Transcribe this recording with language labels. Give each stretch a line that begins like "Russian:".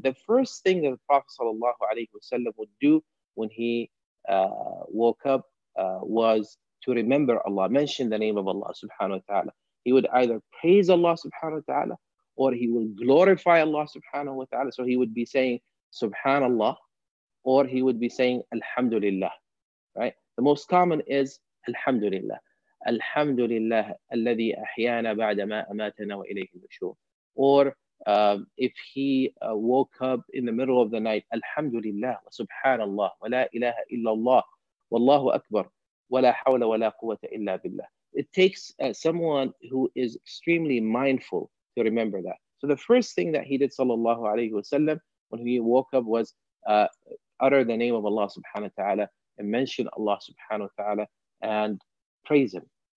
English: The first thing that the Prophet sallallahu alayhi wa sallam would do when he woke up was to remember Allah, mention the name of Allah subhanahu wa ta'ala. He would either praise Allah subhanahu wa ta'ala or he would glorify Allah subhanahu wa ta'ala. So he would be saying subhanallah or he would be saying alhamdulillah, right? The most common is alhamdulillah.
Arabic: الحمد لله الذي أحيانا بعدما أماتنا وإليه النشور.
English: Or if he woke up in the middle of the night,
Arabic: الحمد لله وسبحان الله ولا إله إلا الله والله أكبر ولا حول ولا قوة إلا بالله.
English: It takes someone who is extremely mindful to remember that. So the first thing that he did, صلى الله عليه وسلم, when he woke up was utter the name of Allah سبحانه وتعالى and mention Allah سبحانه وتعالى and praise him.